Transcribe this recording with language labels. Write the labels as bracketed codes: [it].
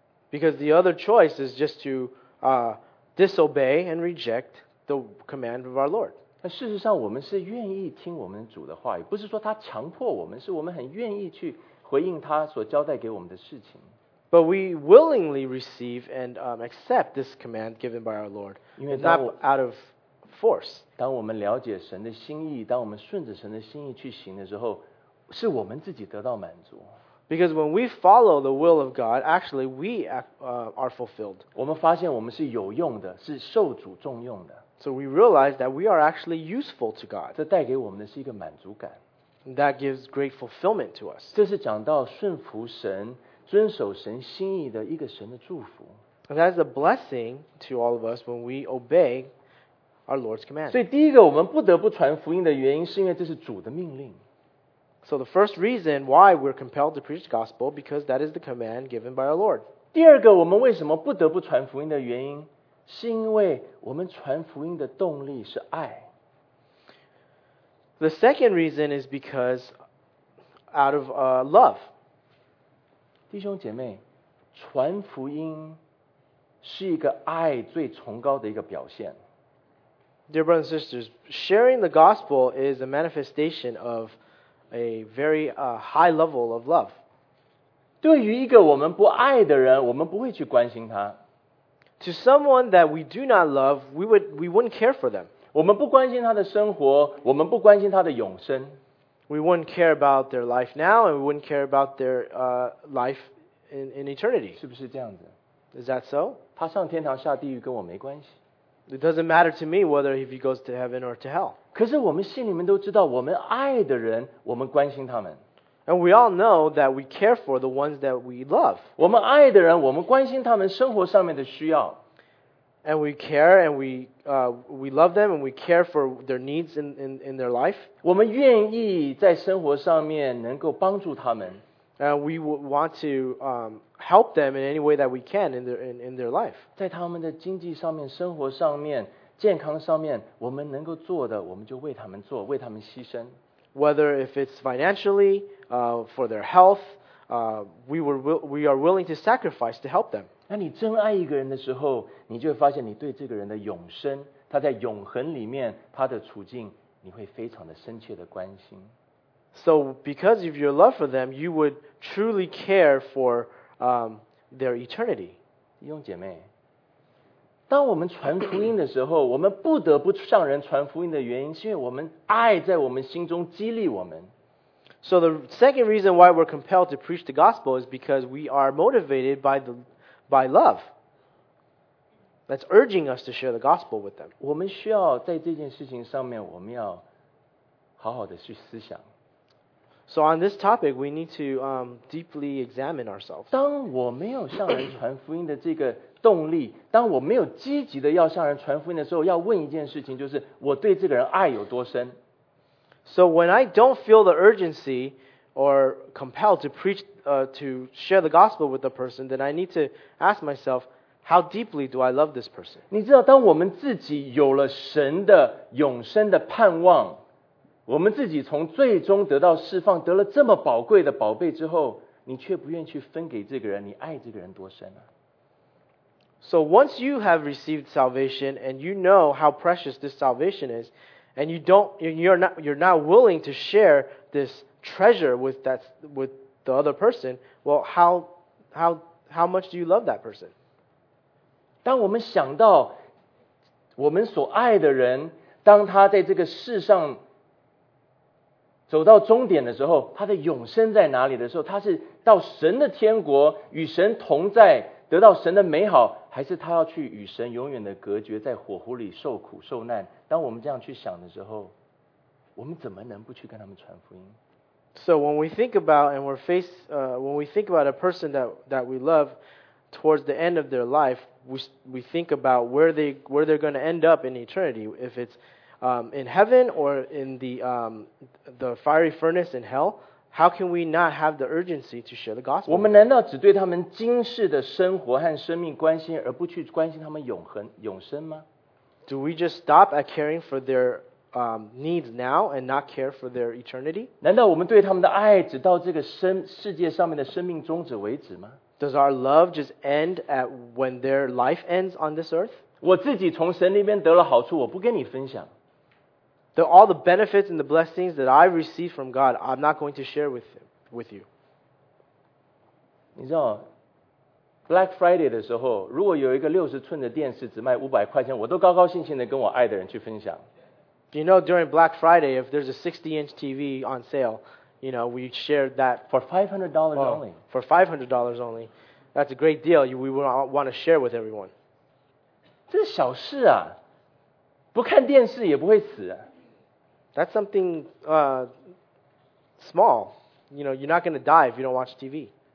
[en] Because the other choice is just to disobey and reject the command of our Lord. [zh] 但事实上我们是愿意听我们主的话，不是说他强迫我们，是我们很愿意去回应他所交代给我们的事情。 [en] But we willingly receive and accept this command given by our Lord, not out of force. [zh] 当我们了解神的心意，当我们顺着神的心意去行的时候，是我们自己得到满足。 [en] Because when we follow the will of God, actually we are fulfilled. [zh] 我们发现我们是有用的，是受主重用的。 [en] So we realize that we are actually useful to God. [zh] 这带给我们的是一个满足感。 [en] That gives great fulfillment to us. [zh] 这是讲到顺服神、遵守神心意的一个神的祝福。 [en] And that is a blessing to all of us when we obey our Lord's command. [zh] 所以第一个我们不得不传福音的原因是因为这是主的命令。 [en] So the first reason why we're compelled to preach the gospel because that is the command given by our Lord. [zh] 第二个我们为什么不得不传福音的原因是因为我们传福音的动力是爱。 [en] The second reason is because out of love. [zh] 弟兄姐妹，传福音是一个爱最崇高的一个表现。 [en] Dear brothers and sisters, sharing the gospel is a manifestation of a very high level of love. [zh] 对于一个我们不爱的人，我们不会去关心他。 [en] To someone that we do not love, we wouldn't care for them. [zh] 我们不关心他的生活，我们不关心他的永生。 [en] We wouldn't care about their life now, and we wouldn't care about their life in eternity. [zh] 是不是这样子？ [en] Is that so? [zh] 他上天堂下地狱跟我没关系。 [en] It doesn't matter to me whether if he goes to heaven or to hell. [zh] 可是我们心里面都知道，我们爱的人，我们关心他们。 [en] And we all know that we care for the ones that we love. [zh] 我们爱的人，我们关心他们生活上面的需要。 [en] And we care and we love them and we care for their needs in their life. [zh] 我们愿意在生活上面能够帮助他们。 [en] And we want to help them in any way that we can in their life. [zh] 在他们的经济上面、生活上面、健康上面，我们能够做的，我们就为他们做，为他们牺牲。 [en] Whether if it's financially, for their health, we are willing to sacrifice to help them. [zh] 那你真爱一个人的时候，你就会发现你对这个人的永生，他在永恒里面他的处境，你会非常的深切的关心。 [en] So because of your love for them, you would truly care for their eternity. [zh] 弟兄姐妹，当我们传福音的时候，我们不得不向人传福音的原因，是因为我们爱在我们心中激励我们。 [en] So the second reason why we're compelled to preach the gospel is because we are motivated by love. That's urging us to share the gospel with them. [zh] 我们需要在这件事情上面，我们要好好的去思想。 [en] So on this topic, we need to deeply examine ourselves. [zh] 当我没有向人传福音的这个动力，当我没有积极的要向人传福音的时候，要问一件事情，就是我对这个人爱有多深。 [en] So when I don't feel the urgency or compelled to preach, to share the gospel with the person, then I need to ask myself, how deeply do I love this person? [zh] 你知道，当我们自己有了神的永生的盼望，我们自己从最终得到释放，得了这么宝贵的宝贝之后，你却不愿意去分给这个人，你爱这个人多深啊？ [en] So once you have received salvation and you know how precious this salvation is, and you're not willing to share this treasure with the other person, well, how much do you love that person? [zh] 当我们想到我们所爱的人，当他在这个世上走到终点的时候，他的永生在哪里的时候，他是到神的天国与神同在，得到神的美好，还是他要去与神永远的隔绝，在火湖里受苦受难？当我们这样去想的时候，我们怎么能不去跟他们传福音？ [en] So when we think about and we're faced, when we think about a person that we love towards the end of their life, we think about where they're going to end up in eternity, if it'sin heaven or in the fiery furnace in hell, how can we not have the urgency to share the gospel? [zh] 我们难道只对他们今世的生活和生命关心，而不去关心他们永生吗？ [en] Do we just stop at caring for their needs now and not care for their eternity? [zh] 难道我们对他们的爱只到这个世界上面的生命终止为止吗？ [en] Does our love just end at when their life ends on this earth? [zh] 我自己从神那边得了好处，我不跟你分享。 [en] All the benefits and the blessings that I received from God, I'm not going to share with you. [zh] 你知道 Black Friday 的时候，如果有一个60寸的电视只卖500块钱，我都高高兴兴的跟我爱的人去分享。 [en] You know, during Black Friday, if there's a 60-inch TV on sale, you know, we shared that for $500 well, only. For $500 only, that's a great deal. We want to share with everyone. [zh] 这是小事啊，不看电视也不会死啊。 [en] That's something small. You know, you're not going to die if you don't watch TV.